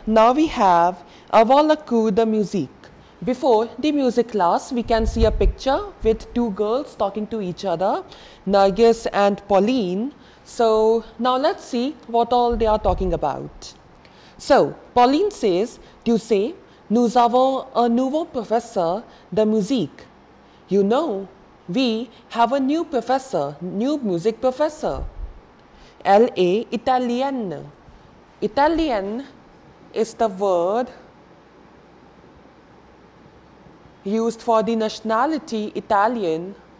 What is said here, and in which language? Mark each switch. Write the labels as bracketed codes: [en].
[en] Now we have [fr] avant la cour de musique. [en] Before the music class, we can see a picture with two girls talking to each other, Nargis and Pauline. So now let's see what all they are talking about. So Pauline says, [fr] tu sais, nous avons un nouveau professeur de musique. [en] You know, we have a new professor, new music professor. [fr] Elle est italienne. [en] Italienne is the word used for the nationality Italian.